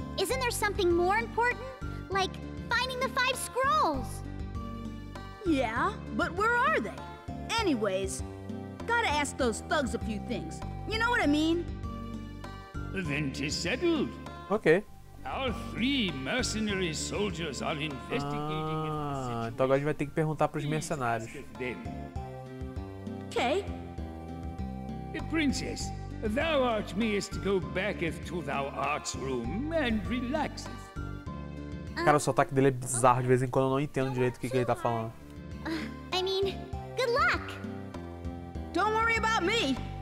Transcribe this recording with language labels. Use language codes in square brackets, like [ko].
[en] Isn't there something more important? Like, finding the five scrolls! Yeah, but where are they? Anyways, gotta ask those thugs a few things. You know what I mean? Then 'tis settled. Okay. Our three mercenary soldiers are investigating. [pt] Ah, então agora a gente vai ter que perguntar pros mercenários. [en] Okay. Princess, thou art meest go backeth to thou art's room and relaxeth. [pt] Cara, o sotaque dele é bizarro, de vez em quando eu não entendo direito o que ele tá falando. [en] I mean, good luck. Don't worry about me.